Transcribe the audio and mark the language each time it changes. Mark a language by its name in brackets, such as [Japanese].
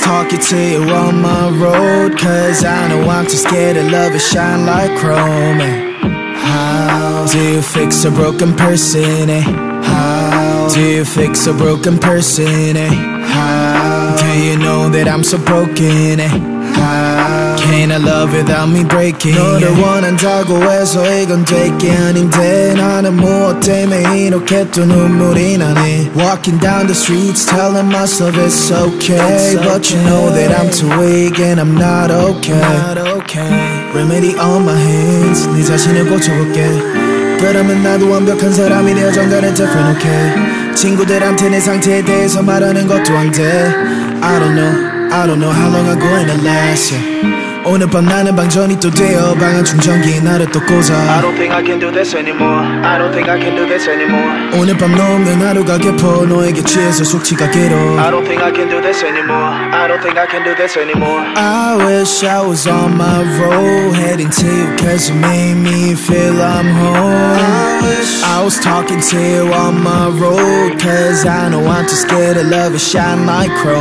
[English] talking to you on my road, cause I know I'm too scared of love, it shine like chrome. Do you fix a broken person, eh? Do you fix a broken person, eh? How? Do you know that I'm so broken, eh? How? Can't I love without me breaking? [Korean] 너를 원한다고 해서 이건 되게 아닌데 나는 무엇 때문에 이렇게 또 눈물이 나네. [English] Walking down the streets telling myself it's okay, it's but okay. You know that I'm too weak and I'm not okay. Not okay. Remedy on my hands, [Korean] 네 자신을 고쳐볼게. 그러면 나도 완벽한 사람이 되어 정단을 덮어 놓게. 친구들한테 내 상태에 대해서 말하는 것도 안 돼. [English] I don't know how long I'm gonna last, yeah. [Korean] 오늘 밤 나는 방전이 또 되어 방안 충전기 나를 또 꽂아. [English] I don't think I can do this anymore. I don't think I can do this anymore. [Korean] 오늘 밤 넘는 하루가 깊어 너에게 취해서 숙취가 길어. [English] I don't think I can do this anymore. I don't think I can do this anymore. I wish I was on my road, heading to you cause you made me feel I'm home. I wish I ghost talking to you on my road. Cause I know I'm too scared of love, it shine like chrome.